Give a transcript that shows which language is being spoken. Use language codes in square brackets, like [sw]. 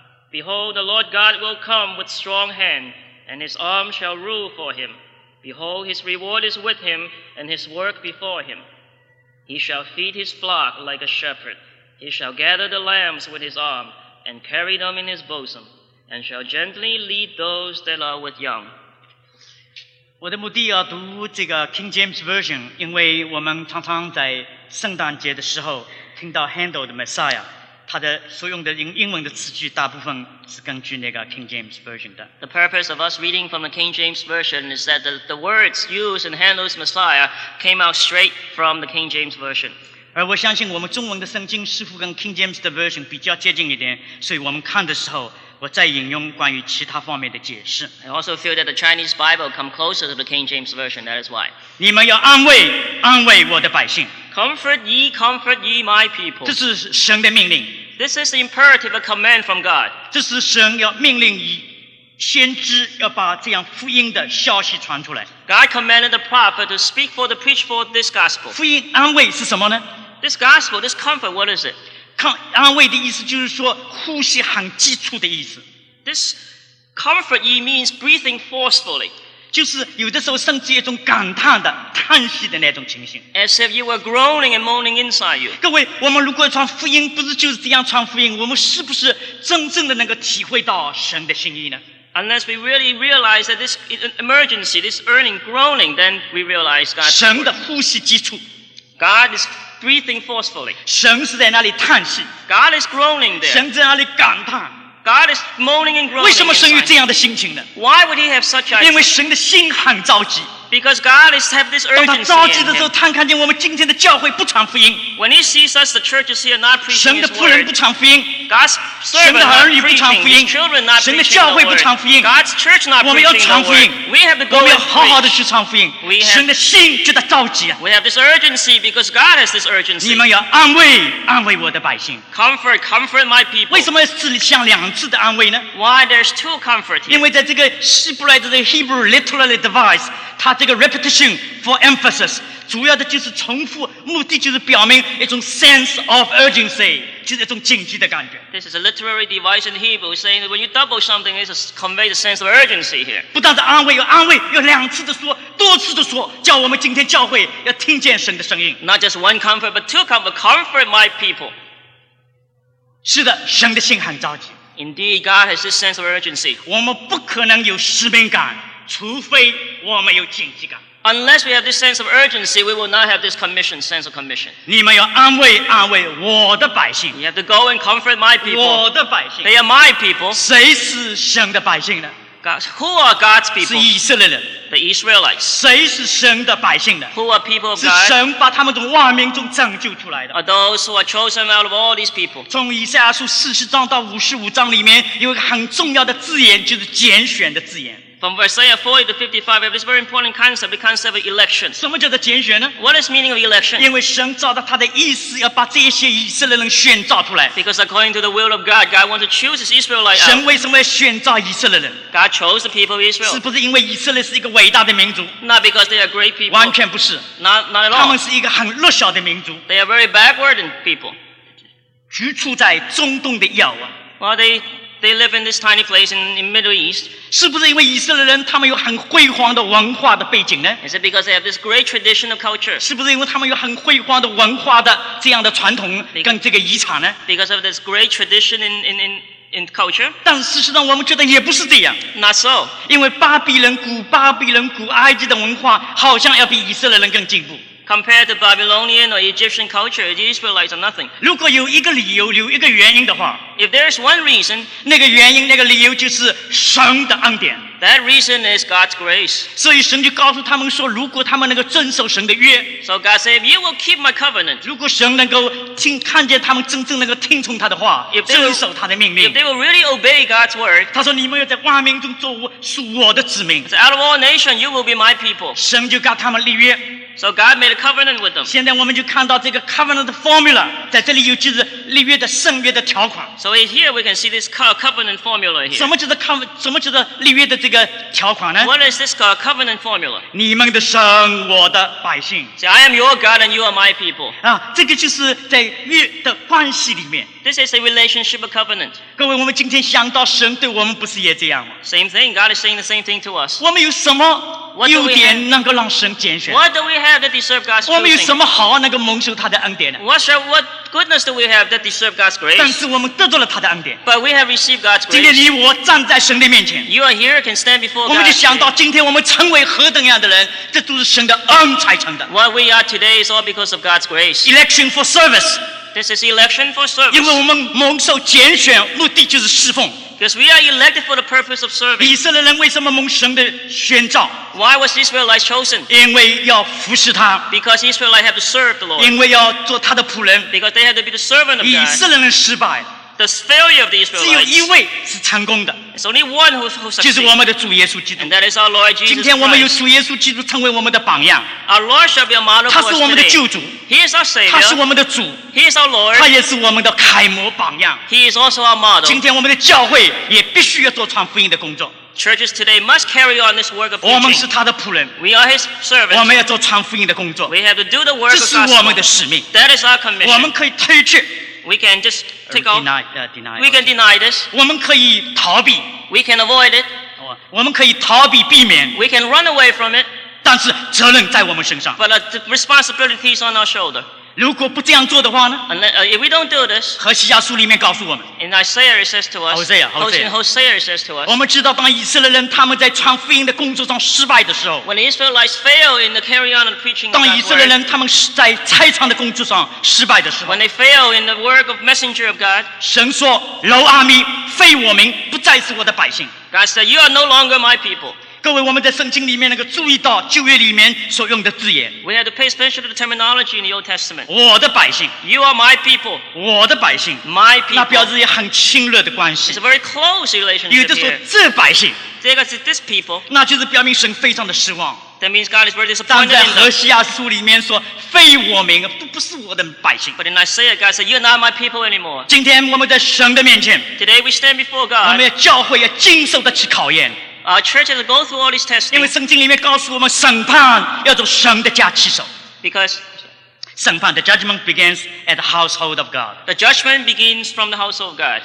[en] Behold, the Lord God will come with strong hand, and his arm shall rule for him. Behold, his reward is with him, and his work before him. He shall feed his flock like a shepherd. He shall gather the lambs with his arm, and carry them in his bosom, and shall gently lead those that are with young. [zh] 我的目的要读这个 King James Version， 因为我们常常在圣诞节的时候听到 Handel 的 Messiah。他的所用的英文的词句大部分是根据那个 King James Version 的。 [en] The purpose of us reading from the King James Version is that the words used in Handel's Messiah came out straight from the King James Version. [zh] 而我相信我们中文的圣经似乎跟 King James 的 version 比较接近一点，所以我们看的时候，我再引用关于其他方面的解释。 [en] I also feel that the Chinese Bible come closer to the King James version. That is why. [zh] 你们要安慰，安慰我的百姓。 [en] Comfort ye, comfort ye, my people. [zh] 这是神的命令。 [en] This is the imperative, a command from God. [zh] 这是神要命令以先知要把这样福音的消息传出来。 [en] God commanded the prophet to speak for the preach for this gospel. [zh] 福音安慰是什么呢？ [en] This gospel, this comfort, what is it? [zh] 安慰的意思就是说呼吸很急促的意思。 [en] This comfort ye means breathing forcefully. [zh] 就是有的时候甚至一种感叹的叹息的那种情形。 [en] As if you were groaning and moaning inside you. [zh] 各位，我们如果传福音不是就是这样传福音，我们是不是真正的能够体会到神的心意呢？ [en] Unless we really realize that this emergency, this earning, groaning, then we realize God's [zh] word. 神的呼吸急促。 [en] God is breathing forcefully. [zh] 神是在那里叹息。 [en] God is groaning there. [zh] 神在那里感叹。 [en] God is moaning and groaning. [zh] 为什么神有这样的心情呢？ [en] Why would he have such a... [zh] 因为神的心很着急。 [en] Because God is have this urgency. [zh] 当他着急的时候，他看见我们今天的教会不传福音。 [en] When he sees us, the church is here not preaching. [zh] 神的仆人不传福音。 [en] God's servant not preaching. [zh] 神的儿女不传福音。 [en] His children not preaching. [zh] 神的教会不传福音。 [en] God's church not preaching. [zh] 我们要传福音。 [en] We have to go and preach. [zh] 我们要好好的去传福音。 [en] We have. [zh] 神的心觉得着急啊。 [en] We have this urgency because God has this urgency. [zh] 你们要安慰，安慰我的百姓。 [en] Comfort, comfort my people. [zh] 为什么要这样两次的安慰呢？ [en] Why there's two comforts? [zh] 因为在这个希伯来的这个 Hebrew literally device。他这个 repetition for emphasis 主要的就是重复，目的就是表明一种 sense of urgency，就是一种紧急的感觉。 [en] This is a literary device in Hebrew saying that when you double something it conveys a sense of urgency here. [zh] 不但是安慰，有安慰，有两次的说，多次的说，叫我们今天教会要听见神的声音。 [en] Not just one comfort but two comfort. Comfort my people. [zh] 是的，神的心很着急。 [en] Indeed God has this sense of urgency. [zh] 我们不可能有使命感，除非我们有紧急感。 [en] Unless we have this sense of urgency, we will not have this commission, sense of commission. [zh] 你们要安慰，安慰我的百姓。 [en] You have to go and comfort my people. [zh] 我的百姓。 [en] They are my people. [zh] 谁是神的百姓呢？ [en] God, who are God's people? [zh] 是以色列人。 [en] The Israelites. [zh] 谁是神的百姓呢？ [en] Who are people of God? [zh] 是神把他们从万民中拯救出来的。 [en] Are those who are chosen out of all these people? [zh] 从以赛亚书40章到55章里面有一个很重要的字眼，就是拣选的字眼。 [en] From Isaiah 40 to 55, we have this very important concept, the concept of election. [zh] 什么叫做拣选呢？ [en] What is the meaning of election? [zh] 因为神照着他的意思要把这些以色列人选召出来。 [en] Because according to the will of God, God wants to choose his Israelites. [zh] 神为什么要选召以色列人？ [en] God chose the people of Israel. [zh] 是不是因为以色列是一个伟大的民族？ [en] Not because they are great people. [zh] 完全不是。 [en] Not at all. [zh] 他们是一个很弱小的民族。 [en] They are very backward people. [zh] 居住在中东的要啊。 [en] Well, they live in this tiny place in Middle East. [zh] 是不是因为以色列人他们有很辉煌的文化的背景呢？ [en] Is it because they have this great tradition of culture? [zh] 是不是因为他们有很辉煌的文化的这样的传统跟这个遗产呢？ [en] Because of this great tradition in culture? [zh] 但事实上我们觉得也不是这样。 [en] Not so. [zh] 因为巴比伦古埃及的文化好像要比以色列人更进步。 [en] Compared to Babylonian or Egyptian culture, the Israelites are nothing. [zh] 如果有一个理由，有一个原因的话， [en] if there is one reason, [zh] 那个原因，那个理由就是神的恩典。 [en] That reason is God's grace. [zh] 所以神就告诉他们说，如果他们能够遵守神的约， [en] so God said, if you will keep my covenant, [zh] 如果神能够听看见他们真正能够听从他的话， [en] if they will, [zh] 遵守他的命令， [en] if they will really obey God's word, [zh] 他说你们要在万民中做我属我的子民， [en] so out of all nations, you will be my people. [zh] 神就告他们立约。 [en] So God made a covenant with them. [zh] 现在我们就看到这个 covenant formula 在这里有就是立约的圣约的条款。 [en] So here we can see this covenant formula here. [zh] 什么就是立约的这个条款呢？ [en] What is this called covenant formula? [zh] 你们的神，我的百姓。 [en] See, I am your God and you are my people. [zh] 啊，这个就是在约的关系里面。 [en] This is a relationship of covenant. [zh] 各位，我们今天想到神对我们不是也这样吗？ [en] Same thing. God is saying the same thing to us. [zh] 我们有什么优点能够让神拣选？ [en] What do we have that deserve God's choosing? [zh] 我们有什么好能够蒙受他的恩典呢？ [en] What goodness do we have that deserve God's grace? [zh] 但是我们得到了他的恩典。 [en] But we have received God's grace. [zh] 今天你我站在神的面前。 [en] You are here, can stand before God. [zh] 我们就想到今天我们成为何等样的人，这都是神的恩才成的。 [en] What we are today is all because of God's grace. Election for service. This is election for service. [zh] 因为我们蒙受拣选，目的就是侍奉。 [en] Because we are elected for the purpose of serving. [zh] 以色列人为什么蒙神的选召？ [en] Why was Israelite chosen? [zh] 因为要服侍他。 [en] Because Israelite had to serve the Lord. [zh] 因为要做他的仆人。 [en] Because they had to be the servant of God. [zh] 以色列人失败。 [en] The failure of the Israelites. [zh] 只有一位是成功的。 [en] It's only one who succeeded. [zh] 就是我们的主耶稣基督。 [en] And that is our Lord Jesus Christ. [zh] 今天我们有主耶稣基督成为我们的榜样。 [en] Our Lord shall be a model for us today. [zh] 他是我们的救主。 [en] He is our Savior. [zh] 他是我们的主。 [en] He is our Lord. [zh] 他也是我们的楷模榜样。 [en] He is also our model. [zh] 今天我们的教会也必须要做传福音的工作。 [en] Churches today must carry on this work of preaching. [zh] 我们是他的仆人。 [en] We are his servants. [zh] 我们要做传福音的工作。 [en] We have to do the work of gospel. [zh] 这是我们的使命。 [en] That is our commission. [zh] 我们可以推却。 [en] We can just take off. Deny. We can deny this. [zh] 我们可以逃避。 [en] We can avoid it. [zh] 我们可以逃避避免。 [en] We can run away from it. [zh] 但是责任在我们身上。 [en] But the responsibility is on our shoulder. [zh] 如果不这样做的话呢？ [en] If we don't do this. [zh] 何西阿书里面告诉我们。 [en] In Isaiah it says to us. Hosea. Hosea says to us. [zh] 我们知道当以色列人他们在传福音的工作上失败的时候。 [en] When Israelites fail in the carry on of preaching. [zh] 当以色列人他们在差场的工作上失败的时候。 [en] When they fail in the work of messenger of God. [zh] 神说：“楼阿米，废我民，不再是我的百姓。” [en] God said, "You are no longer my people." [zh] 各位，我们在圣经里面那个注意到旧约里面所用的字眼。 [en] We have to pay attention to the terminology in the Old Testament. [zh] 我的百姓。 [en] You are my people. [zh] 我的百姓。 [en] My people. [zh] 那表示也很亲热的关系。 [en] It's a very close relationship. [zh] 有的说这百姓。这个是 this people. 那就是表明神非常的失望。 [en] That means God is very disappointed. [zh] 但在何西阿书里面说非我民，不是我的百姓。 [en] But in Isaiah, God said, "You're not my people anymore." [zh] 今天我们在神的面前。 [en] Today we stand before God. [zh] 我们教会要经受得起考验。 [en] Our church has to go through all these testing. [zh] 因为圣经里面告诉我们，审判要从神的家起手。 [en] Because 审判 the judgment begins at the household of God. The judgment begins from the household of God.